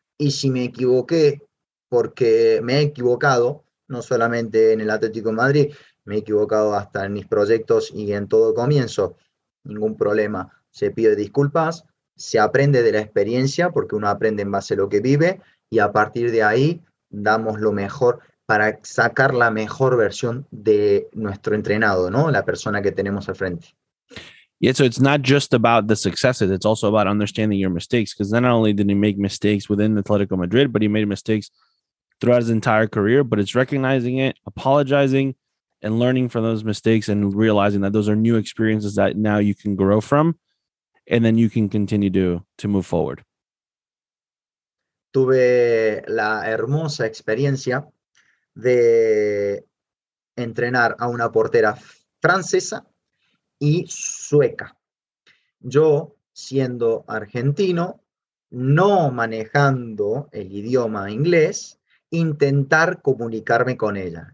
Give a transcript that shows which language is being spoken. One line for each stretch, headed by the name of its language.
Spanish: Y si me equivoqué, porque me he equivocado, no solamente en el Atlético de Madrid, me he equivocado hasta en mis proyectos y en todo comienzo. Ningún problema. Se pide disculpas. Se aprende de la experiencia porque uno aprende en base a lo que vive y a partir de ahí damos lo mejor para sacar la mejor versión de nuestro entrenado, ¿no? La persona que tenemos al frente.
English: Yeah, so it's not just about the successes, it's also about understanding your mistakes, because not only did he make mistakes within Atletico Madrid, but he made mistakes throughout his entire career, but it's recognizing it, apologizing and learning from those mistakes and realizing that those are new experiences that now you can grow from. And then you can continue to move forward.
Spanish: Tuve la hermosa experiencia de entrenar a una portera francesa y sueca. Yo, siendo argentino, no manejando el idioma inglés, intentar comunicarme con ella.